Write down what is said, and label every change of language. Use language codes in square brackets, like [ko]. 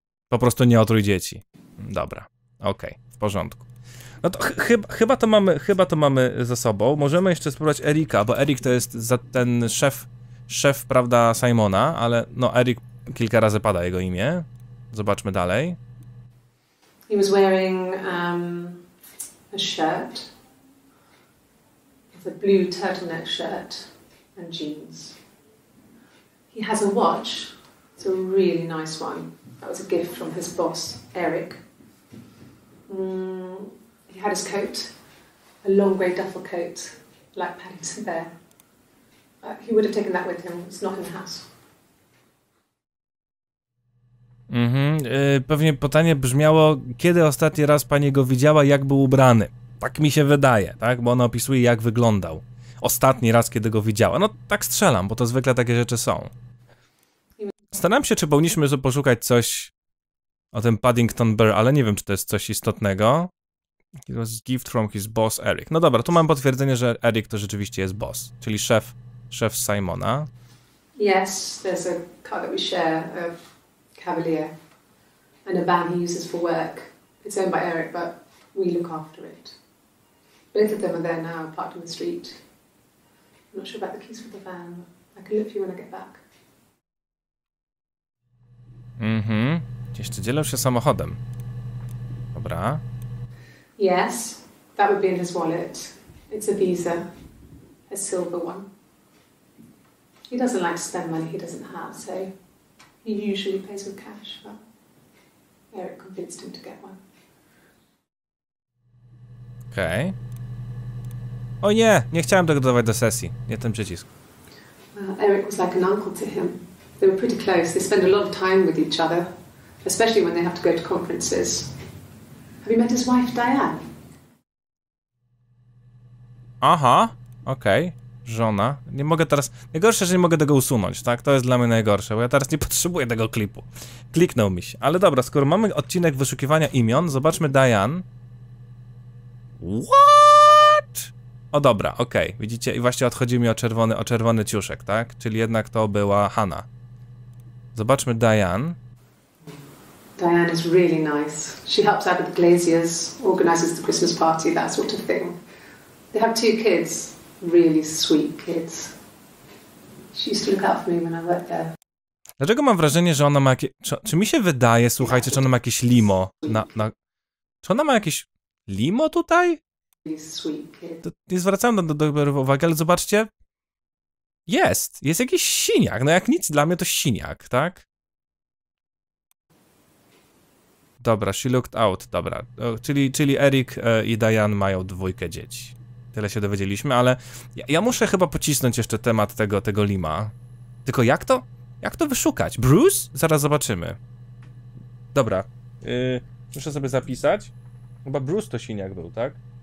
[pl] Po prostu nie otruj dzieci. Dobra, okej, okay, w porządku. No to chyba to mamy za sobą. Możemy jeszcze spróbować Erika, bo Erik to jest za ten szef, prawda, Simona, ale no Erik kilka razy pada jego imię. Zobaczmy dalej. [en] He was wearing a shirt, a blue turtleneck shirt and jeans. He has a watch. It's a really nice one. That was a gift from his boss, Eric. He had his coat, a long grey duffel coat, like Paddington Bear. He would have taken that with him. It's not in the house. Mhm. [pl] Pewnie pytanie brzmiało, kiedy ostatni raz pani go widziała, jak był ubrany? Tak mi się wydaje, tak? Bo ona opisuje, jak wyglądał. Ostatni raz, kiedy go widziała. No, tak strzelam, bo to zwykle takie rzeczy są. Staram się, czy powinniśmy poszukać coś o tym Paddington Bear, ale nie wiem, czy to jest coś istotnego. [en] It was a gift from his boss, Eric. [pl] No dobra, tu mam potwierdzenie, że Eric to rzeczywiście jest boss, czyli szef Simona. [en] Yes, there's a car that we share, a Cavalier, and a van he uses for work. It's owned by Eric, but we look after it. Both of them are there now, parked in the street. I'm not sure about the keys for the van. I can look for you when I get back. Mm-hmm. [pl] Jeszcze dzielą się samochodem. Dobra. [en] Yes, that would be in his wallet. It's a Visa, a silver one. He doesn't like to spend money he doesn't have, so he usually pays with cash, but Eric convinced him to get one. Okay. [pl] O nie, nie chciałem tego dodawać do sesji. Nie ten przycisk. [en] Eric was like an uncle to him. They were pretty close. They spend a lot of time with each other, especially when they have to go to conferences. Have you met his wife, Diane? [pl] Aha, okay. Żona. Nie mogę teraz... Najgorsze, że nie mogę tego usunąć, tak? To jest dla mnie najgorsze, bo ja teraz nie potrzebuję tego klipu. Kliknął mi się. Ale dobra, skoro mamy odcinek wyszukiwania imion, zobaczmy Diane. [en] What? [pl] O dobra, okej. Okay. Widzicie? I właśnie odchodzi mi o czerwony ciuszek, tak? Czyli jednak to była Hannah. Zobaczmy Diane. [en] Diane is really nice. She helps out with the glaziers, organizes the Christmas party, that sort of thing. They have two kids. Really sweet kids. She used to look out for me when I worked there. [pl] Dlaczego mam wrażenie, że ona ma jakieś... Czy mi się wydaje, słuchajcie, czy ona ma jakieś limo na... Czy ona ma jakieś limo tutaj? [en] Really sweet kid. [pl] Nie zwracam na dobrą uwagę, ale zobaczcie. Jest jakiś siniak. No jak nic dla mnie, to siniak, tak? [en] Dobra, she looked out, dobra. [pl] Czyli Eric i Diane mają dwójkę dzieci. Tyle się dowiedzieliśmy, ale ja muszę chyba pocisnąć jeszcze temat tego lima. Tylko jak to wyszukać? Bruce? Zaraz zobaczymy. Dobra, muszę sobie zapisać. Chyba Bruce to siniak był, tak?